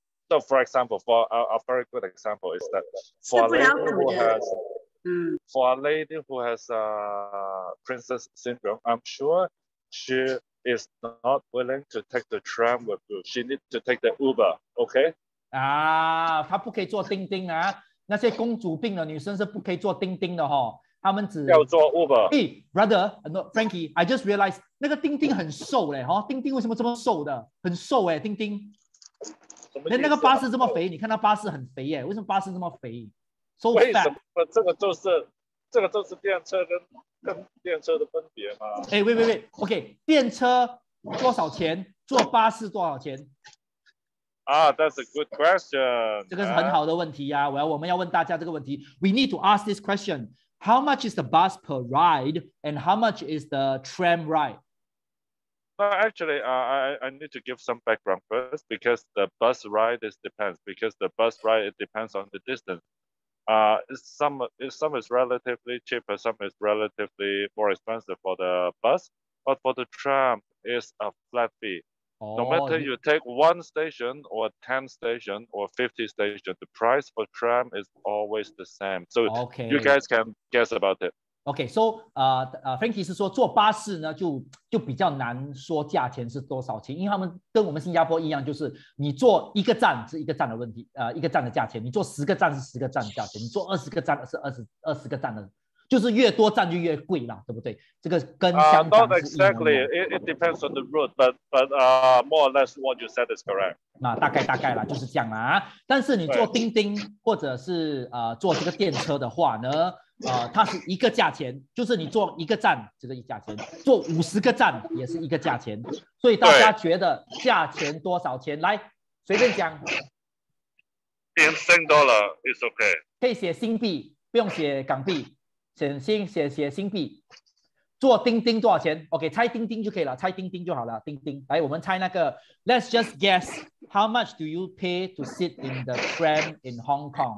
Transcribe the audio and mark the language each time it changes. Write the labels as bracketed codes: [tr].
[en] So, for example, for a very good example is that for a lady who has a princess syndrome, I'm sure she is not willing to take the tram with you. She needs to take the Uber, okay? [zh] Ah, 她不可以坐叮叮啊！那些公主病的女生是不可以坐叮叮的哈。他们只要坐 Uber. [en] Hey, brother, no, Frankie, I just realized [zh] 那个叮叮很瘦嘞，哈，叮叮为什么这么瘦的？很瘦哎，叮叮。连那个巴士这么肥，你看那巴士很肥耶，为什么巴士这么肥？ [en] So、 [zh] 为什么这个就是电车跟电车的分别吗？哎、欸，喂 ，OK， 电车多少钱？坐巴士多少钱？ [en] 啊、that's a good question。 [zh] 这个是很好的问题呀、啊，我们要问大家这个问题。 [en] We need to ask this question: How much is the bus per ride, and how much is the tram ride? Actually, I need to give some background first because the bus ride is depends because the bus ride it depends on the distance. Some is relatively cheaper, some is relatively more expensive for the bus, but for the tram, it's a flat fee. No matter you take one station or 10 station or 50 station, the price for tram is always the same. So okay, you guys can guess about it. [zh] Okay, so Frankie 是说坐巴士呢 就比较难说价钱是多少钱，因为他们跟我们新加坡一样，就是你坐一个站是一个站的问题，一个站的价钱，你坐十个站是十个站的价钱，你坐二十个站是二十个站的，就是越多站就越贵了，对不对？这个跟香港是一样的。 [en] Not exactly. It depends on the route, but more or less what you said is correct. [zh] 那大概啦，就是这样啦。但是你坐叮叮或者是坐这个电车的话呢，它是一个价钱，就是你坐一个站这个价钱，坐五十个站也是一个价钱。所以大家觉得价钱多少钱？来，随便讲。 [en] In Sing dollar is okay. [zh] 可以写新币，不用写港币。写新币，做钉钉多少钱 ？OK， 猜钉钉就可以了，猜钉钉就好了。钉钉，来，我们猜那个。 [en] Let's just guess how much do you pay to sit in the tram in Hong Kong?